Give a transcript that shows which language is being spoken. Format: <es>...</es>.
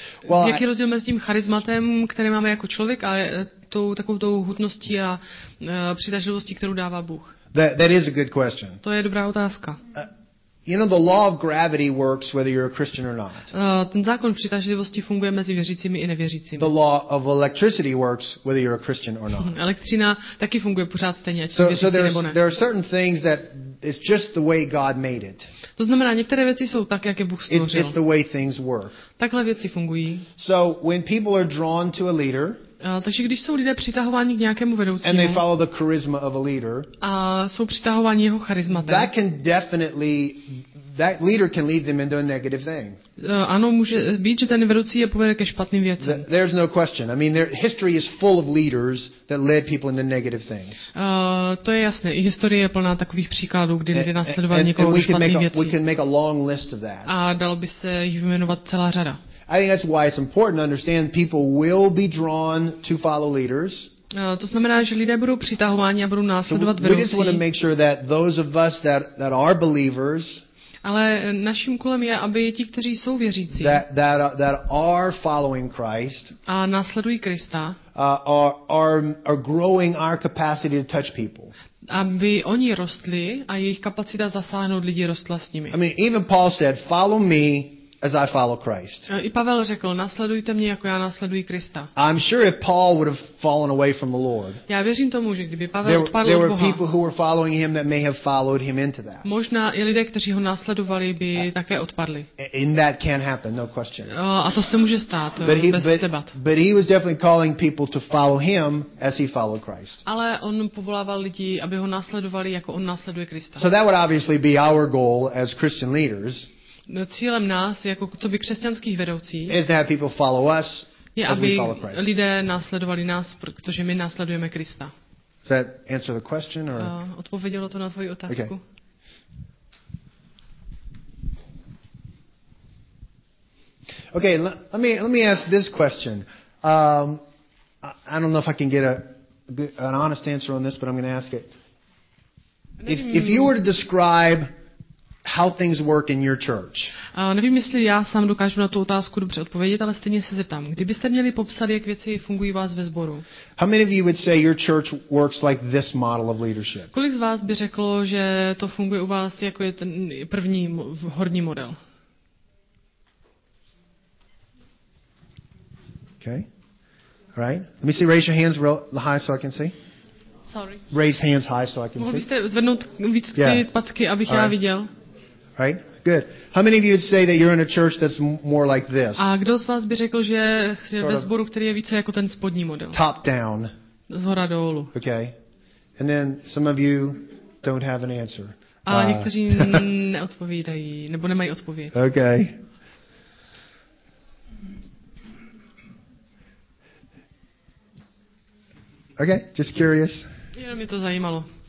<cs>Well, jaký rozdíl mezi tím charismatem, které máme jako člověk, a tou takovou tou hutností a přitažlivostí, kterou dává Bůh?</cs> <en>That is a good question.</en> <cs>To je dobrá otázka.</cs> <en>You know, the law of gravity works whether you're a Christian or not.</en> <cs>Ten zákon přitažlivosti funguje mezi věřícími i nevěřícími.</cs> <en>The law of electricity works whether you're a Christian or not.</en> <cs>Elektřina taky funguje pořád stejně, ať jsi věřící nebo ne.</cs> <en>There are certain things that it's just the way God made it.</en> <cs>To znamená, některé věci jsou tak, jak je Bůh stvořil.</cs> <en>It's the way things work.</en> <cs>Takhle věci fungují.</cs> <en>So when people are drawn to a leader,</en> <cs>takže když jsou lidé přitahováni k nějakému vedoucímu,</cs> <en>and they follow the charisma of a leader,</en> <cs>a jsou přitahováni jeho charismatem,</cs> <en>that can definitely, that leader can lead them into a negative thing.</en> <cs>Ano, může být, že ten vedoucí je povede ke špatným věcem.</cs> <en>There's no question. I mean, history is full of leaders that led people into negative things.</en> <cs>To je jasné. Historie je plná takových příkladů, kdy lidé následovali někoho do špatných věcí.</cs> <en>We can make a long list of that.</en> <cs>A dalo by se jich vyjmenovat celá řada.</cs> <en>I think that's why it's important to understand people will be drawn to follow leaders.</en> <cs>To znamená, že lidé budou přitahováni a budou následovat vedoucí.</cs> <en>We just want to make sure that those of us that are believers.</en> <cs>Ale naším úkolem je, aby ti, kteří jsou věřící,</cs> <en>that are following Christ,</en> <cs>a následují Krista,</cs> <en>are growing our capacity to touch people.</en> <cs>Aby oni rostli a jejich kapacita zasáhnout lidi rostla s nimi.</cs> <en>I mean, even Paul said, follow me as I follow Christ.</en> <cs>I Pavel řekl, nasledujte mě, jako já nasleduji Krista.</cs> <en>I'm sure if Paul would have fallen away from the Lord.</en> <cs>Já věřím tomu, že kdyby Pavel odpadl od Boha.</cs> <en>There were people who were following him that may have followed him into that.</en> <cs>Možná i lidé, kteří ho následovali, by také odpadli.</cs> <en>And that can happen, no question.</en> <cs>A to se může stát, bez debat.</cs> <en>But he was definitely calling people to follow him as he followed Christ.</en> <cs>Ale on povolával lidi, aby ho následovali, jako on následuje Krista.</cs> <en>So that would obviously be our goal as Christian leaders.</en> <cs>Cílem nás, jako to by křesťanských vedoucích, is to have people follow us, je, aby lidé následovali nás, protože my následujeme Krista.</cs> <en>Does that answer the question, or?</en> <cs>Odpovědělo to na tvoji otázku?</cs> <en>Okay. Okay, let me ask this question. I don't know if I can get an honest answer on this, but I'm going to ask it. If you were to describe how things work in your church.</en> <cs>Nevím, jestli já sám dokážu na tu otázku dobře odpovědět, ale stejně se zeptám. Kdybyste měli popsat, jak věci fungují vás ve sboru?</cs> <en>How many of you would say your church works like this model of leadership?</en> <cs>Kolik z vás by řeklo, že to funguje u vás jako je ten první horní model?</cs> <en>Okay. All right. Let me see, raise your hands real high so I can see. Sorry. Raise hands high so I can see.</en> <cs>Mohl byste zvednout víc ty packy, abych já viděl?</cs> <en>Right? Good. How many of you would say that you're in a church that's more like this?</en> <cs>A kdo z vás by řekl, že je ve sboru, který je více jako ten spodní model?</cs> <en>Top down.</en> <cs>Zhora dolů.</cs> <en>Okay. And then some of you don't have an answer.</en> <cs>A někteří neodpovídají, nebo nemají odpověď.</cs> <en>Okay. Okay, just curious.</en> <cs>Jenom mě to zajímalo.</cs>